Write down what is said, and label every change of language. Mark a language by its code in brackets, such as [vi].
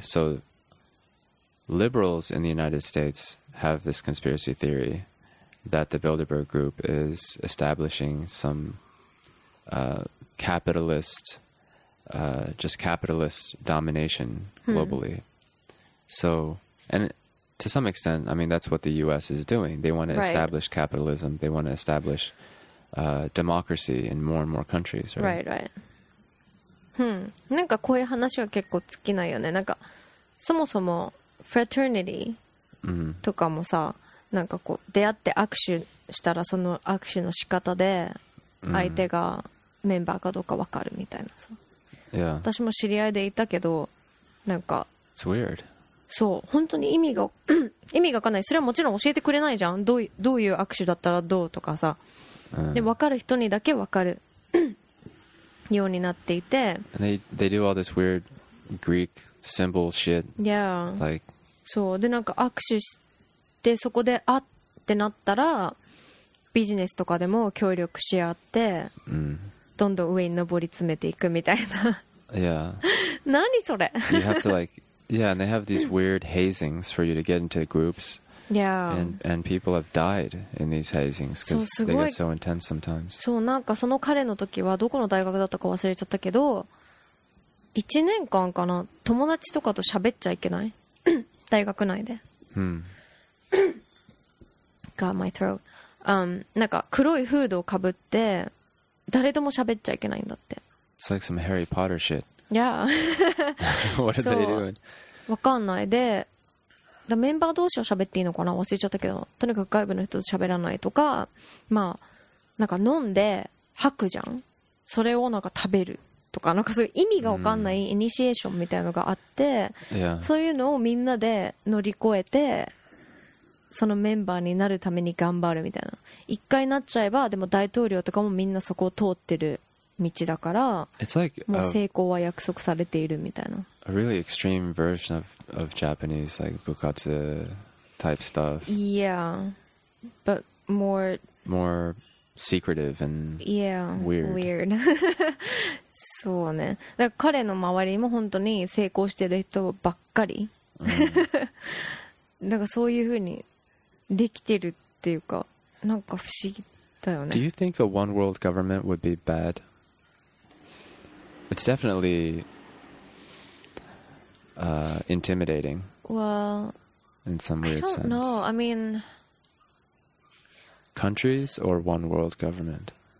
[en] So liberals in the United States have this conspiracy theory that the Bilderberg Group is establishing some capitalist domination globally. Hmm. So, and to some extent, I mean, that's what the U.S. is doing. They want to establish capitalism. They want to establish democracy in more and more countries. Right, right. [ja] なんかこういう話は結構尽きないよね。なんかそもそもフラテルニティとかもさ、なんかこう出会って握手したらその握手の仕方で相手がメンバーかどうか分かるみたいなさ。 [en] Yeah. [ja] 私も知り合いでいたけど、なんか。 [en] It's weird. [ja] そう本当に意味がわかんない。それはもちろん教えてくれないじゃん。どういう握手だったらどうとかさ、で分かる人にだけ分かるようになっていて、 [en] they do all this weird Greek symbol shit. Yeah. Like. [ja] そうでなんか握手してそこであってなったらビジネスとかでも協力し合って、どんどん上に上り詰めていくみたいな。 [en] Yeah. [ja] 何それ。 [en] You have to like. Yeah, and they have these weird hazings for you to get into groups. Yeah. And people have died in these hazings because they get so intense sometimes. [ja] そう、なんかその彼の時はどこの大学だったか忘れちゃったけど、1年間かな、友達とかと喋っちゃいけない。大学内で。 [en] Got my throat. [ja] なんか黒いフードをかぶって、誰とも喋っちゃいけないんだって。 [en] It's like some Harry Potter shit. Yeah. What are they doing? [ja] わかんない。で、メンバー同士を喋っていいのかな、忘れちゃったけど、とにかく外部の人と喋らないとか、まあなんか飲んで吐くじゃん。それをなんか食べるとか、なんかそういう意味がわかんないイニシエーションみたいなのがあって、そういうのをみんなで乗り越えて、そのメンバーになるために頑張るみたいな。一回なっちゃえば、でも大統領とかもみんなそこを通ってる。道だから、もう成功は約束されているみたいな。 [en] A really extreme version of Japanese like bukatsu type stuff. Yeah, but more secretive and weird. [ja] そうね。だから彼の周りも本当に成功してる人ばっかり。だからそういう風にできてるっていうか、なんか不思議だよね。 [en] Do you think a one world government would be bad? It's definitely intimidating. Well, in some weird sense. I don't know. I mean, countries or one world government?